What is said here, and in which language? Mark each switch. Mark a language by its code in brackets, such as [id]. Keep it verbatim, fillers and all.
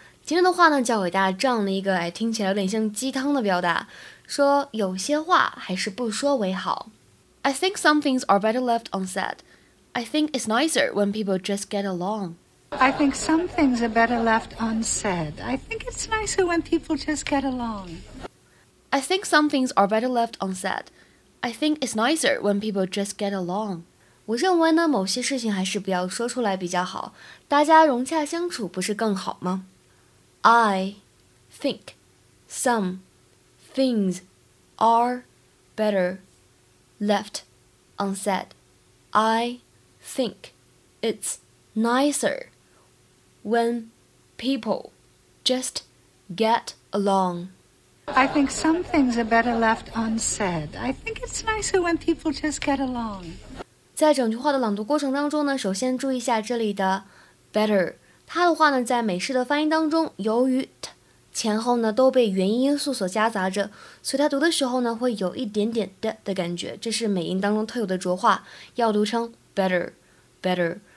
[zh] 今天的话呢，教给大家这样的一个、哎、听起来有点像鸡汤的表达，说有些话还是不说为好。 [en] I think some things are better left unsaid. I think it's nicer when people just get along. I think some things are better left unsaid. I think it's nicer when people just get along. I think some things are better left unsaid. I think it's nicer when people just get along. [zh] 我认为呢，某些事情还是不要说出来比较好，大家融洽相处不是更好吗？ [en] I think some things are better left unsaid. I think it's nicer when people just get along. I think some things are better left unsaid. I think it's nicer when people just get along. [zh] 在整句话的朗读过程当中呢，首先注意一下这里的 better， 它的话呢，在美式的发音当中，由于 t 前后呢都被元音因素所夹杂着，所以它读的时候呢，会有一点点的的感觉，这是美音当中特有的浊化，要读成 better better。